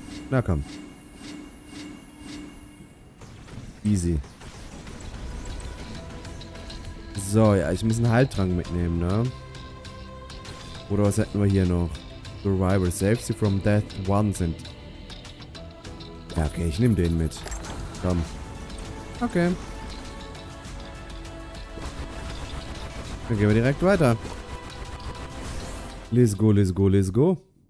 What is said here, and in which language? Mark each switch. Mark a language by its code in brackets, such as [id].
[de] Na komm. [en] Easy. [de] So, ja, ich muss einen Heiltrank mitnehmen, ne? Oder was hätten wir hier noch? [en] Survivor saves you from death once and... [de] Ja, okay, ich nehme den mit. Komm. Okay. Dann gehen wir direkt weiter. [en] Let's go, let's go, let's go.